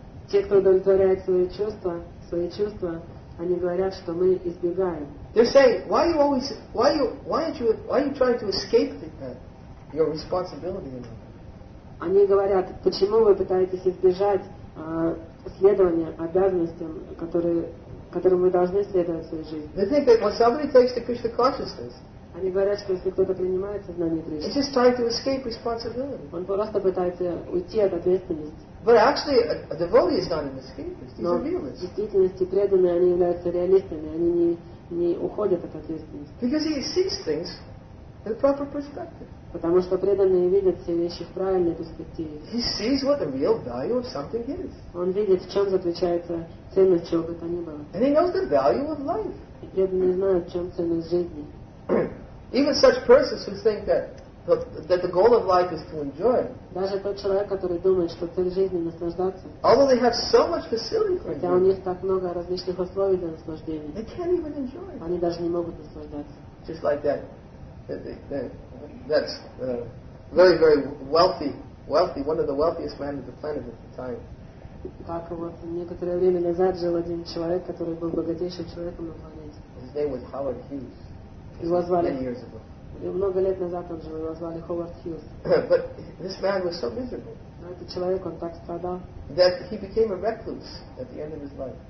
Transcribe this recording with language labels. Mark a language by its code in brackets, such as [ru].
[ru] Те, кто удовлетворяет свои чувства, они говорят, что мы избегаем. [en] They're saying, why are you trying to escape the your responsibility. [ru] Они говорят, почему вы пытаетесь избежать следования обязанностям, которым вы должны следовать в своей жизни. [en] They think that when somebody takes the Krishna consciousness, [ru] они говорят, что если кто-то принимает сознание Кришны, [en] he's just trying to escape responsibility. [ru] Он просто пытается уйти от ответственности. [en] But actually, a devotee is not an escapist. He's a realist. [ru] В действительности преданные они являются реалистами. Они не уходят от ответственности. [en] Because he sees things in a proper perspective. [ru] Потому что преданные видят все вещи в правильной перспективе. [en] He sees what the real value of something is. [ru] Он видит, в чем заключается ценность чего бы то ни было. [en] And he knows the value of life. [ru] И преданные знают, в чем ценность жизни. [en] Even such persons who think that the goal of life is to enjoy. [ru] Даже тот человек, который думает, что цель жизни наслаждаться. [en] Although they have so much facility for enjoying. [ru] Хотя у них так много различных условий для наслаждения. [en] They can't even enjoy. Они даже не могут наслаждаться. Just like that. That's very, very wealthy, one of the wealthiest men on the planet at the time. [ru] Так вот, некоторое время назад жил один человек, который был богатейшим человеком на планете. [en] His name was Howard Hughes. [ru] Его звали, [en] many years ago. [ru] Много лет назад он жил, его звали Ховард Хьюз. [en] But this man was so miserable. [ru] Но этот человек, он так страдал. [en] That he became a recluse at the end of his life.